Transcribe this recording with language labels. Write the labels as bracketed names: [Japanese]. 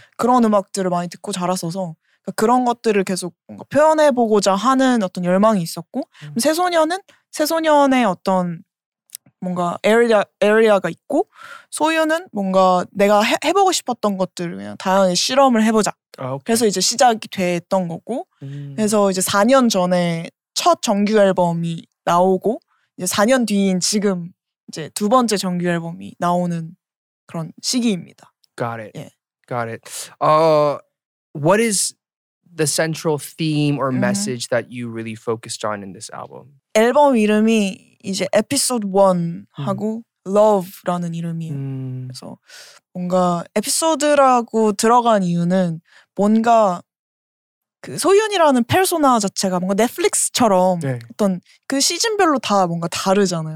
[Korean] 그런 음악들을 많이 듣고 자랐어서 그러니까 그런 것들을 계속 뭔가 표현해 보고자 하는 어떤 열망이 있었고 새소년은 새소년의 어떤 뭔가 에리아가 있고 소유는 뭔가 내가 해보고 싶었던 것들을 그냥 다양하게 실험을 해보자. 아, 그래서 이제 시작이 됐던 거고 그래서 이제 4년 전에 첫 정규 앨범이 나오고 이제 4년 뒤인 지금 이제 두 번째 정규 앨범이 나오는 그런 시기입니다. [English] Got it. Yeah. Got it. What is the central theme or message that you really focused on in this album? [Korean] 앨범 이름이 이제 에피소드 1하고 Love라는 이름이에요. 그래서 뭔가 에피소드라고 들어간 이유는 뭔가 그 소윤이라는 페르소나 자체가 뭔가 넷플릭스처럼 네. 어떤 그 시즌별로 다 뭔가 다르잖아요.